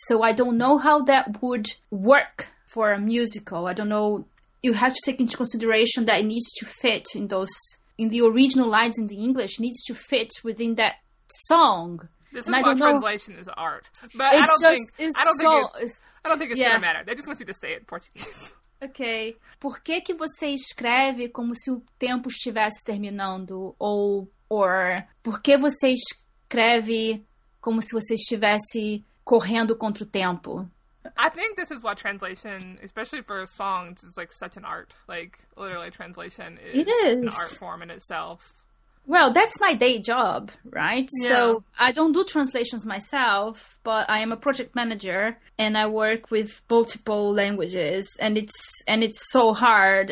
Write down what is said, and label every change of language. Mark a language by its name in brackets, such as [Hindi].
[English] So I don't know how that would work for a musical. I don't know. You have to take into consideration that it needs to fit in the original lines in the English, needs to fit within that song. This translation is art. But I don't think it's going to matter. They just want you to say it in Portuguese. Okay. [Portuguese] Por que que você escreve como se o tempo estivesse terminando? [English] Or [Portuguese] por que você escreve como se você estivesse correndo contra o tempo? [English] I think this is why translation, especially for songs, is like such an art. Like, literally, translation is an art form in itself. Well, that's my day job, right? Yeah. So I don't do translations myself, but I am a project manager and I work with multiple languages, and it's so hard.